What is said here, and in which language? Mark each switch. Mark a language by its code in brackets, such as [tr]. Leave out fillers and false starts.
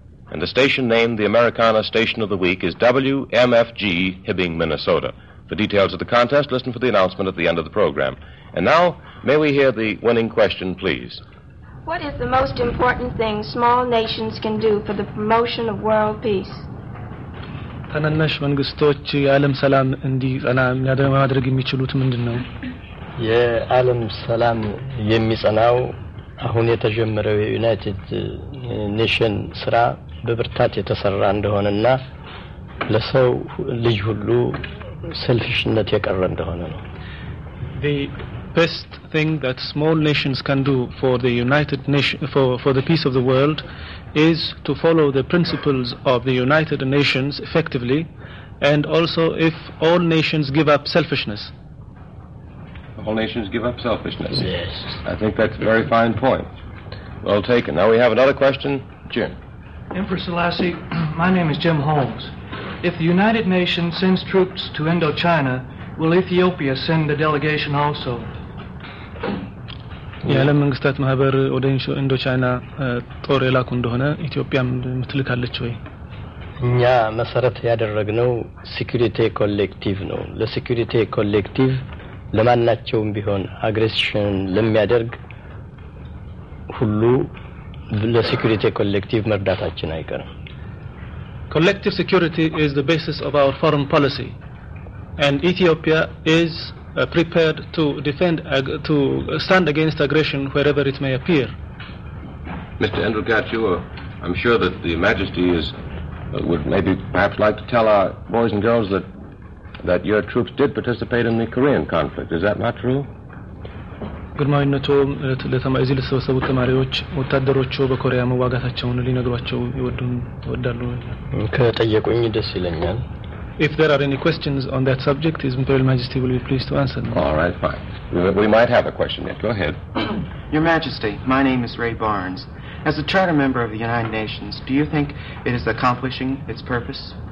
[en] And the station name, the Americana Station of the Week, is WMFG Hibbing, Minnesota. For details of the contest, listen for the announcement at the end of the program. And now, may we hear the winning question, please? What is the most important thing small nations can do for the promotion of world peace? [am] ተነነሽ መንግስቶች የዓለም ሰላም እንዲጸና የሚያደርግ የሚችሉት ምንድነው? የዓለም ሰላም የሚጸናው አሁን የተጀመረው ዩናይትድ ኔሽን ስራ በብርታት የተሰራ እንደሆነና ለሰው ልጅ ሁሉ ሰልፊሽነት የቀረ እንደሆነ ነው። [en] The best thing that small nations can do for the United Nations for the peace of the world is to follow the principles of the United Nations effectively, and also if all nations give up selfishness. All nations give up selfishness. Yes. I think that's a very fine point. Well taken. Now we have another question. Jim. Emperor Selassie, my name is Jim Holmes. If the United Nations sends troops to Indochina, will Ethiopia send a delegation also? [am] የዓለም መንግስታት ማህበር ወደ ኢንዶቻይና ጦር የላኩ እንደሆነ ኢትዮጵያም ምትልካለች ወይ? እኛ መሰረት ያደረግነው ሴኩሪቲ ኮሌክቲቭ ነው። ለሴኩሪቲ ኮሌክቲቭ ለማናቸውም ቢሆን አግሬሽን ለሚያደርግ ሁሉ ለሴኩሪቲ ኮሌክቲቭ መርዳታችን አይቀርም። [en] Collective security is the basis of our foreign policy, and Ethiopia is prepared to defend, to stand against aggression wherever it may appear. Mr. Endelgachew, I'm sure that the Majesty is would maybe perhaps like to tell our boys and girls that your troops did participate in the Korean conflict. Is that not true? [am] ግርማዊነቶ ለተማ እዚህ ለተሰበሰቡ ተማሪዎች ወታደሮቹ በኮሪያ መዋጋታቸውን ሊነግሯቸው ይወዱን ተወዳሉ። ከጠየቁኝ ደስ ይለኛል። [en] If there are any questions on that subject, His Imperial Majesty will be pleased to answer them. All right, fine. We might have a question yet. Go ahead. Your Majesty, my name is Ray Barnes. As a charter member of the United Nations, do you think it is accomplishing its purpose?